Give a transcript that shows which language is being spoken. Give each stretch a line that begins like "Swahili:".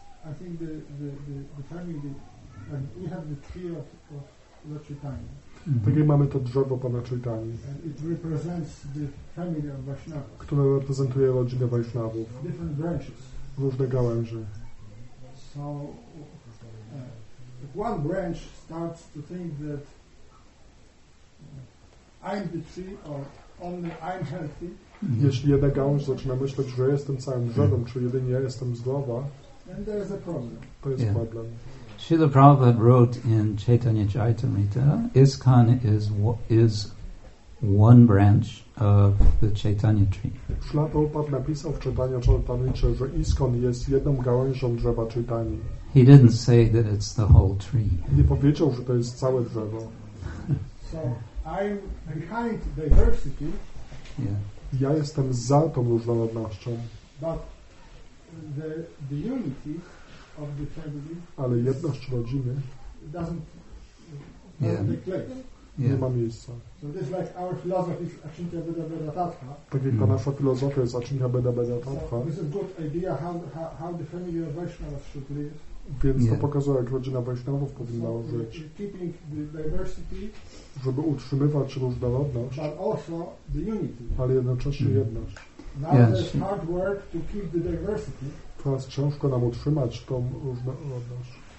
English: I think the family, we have the tree of Lord Chaitanya.
Polish: Tak jak mamy to drzewo Pana Chaitanya.
English: And it represents the family of Vaishnava.
Polish: Które reprezentuje rodzinę Vaishnavów.
English: Different branches.
Polish: Różne gałęzie.
English: So, if one branch starts to think that I'm the tree, or only I'm healthy.
Polish: Jeśli jedna gałąź zaczyna myśleć, że jestem całym drzewem, czy jedynie ja jestem zdrowa,
English: then there is a problem.
Polish: To jest problem.
English: Śrīla Prabhupāda wrote in Chaitanya Charitamrita, ISKCON is one branch of the Chaitanya tree.
Polish: Śrīla Prabhupāda napisał w Chaitanya Charitamrita, że ISKCON jest jedną gałęzią drzewa Chaitanya.
English: He didn't say that it's the whole tree.
Polish: Nie powiedział, że to jest całe drzewo.
English: So, I'm behind diversity.
Polish: Ja jestem za tą różnorodnością.
English: But the unity of the family.
Polish: Ale jedność rodziny.
English: Doesn't have the place. So this is like our philosophy is Achintya Buddha Beda Tatha.
Polish: Tak jak nasza filozofia jest Achintya Buddha Beda Tatha.
English: This is a good idea how the family of Vaishnavas should live.
Polish: Więc to pokazuje, jak rodzina Vaishnavów powinna żyć.
English: Keeping the diversity.
Polish: Żeby utrzymywać różnorodność.
English: But also the unity.
Polish: Ale jednocześnie jedność.
English: Now there's hard work to keep the diversity.
Polish: Teraz ciężko nam utrzymać tą różnorodność.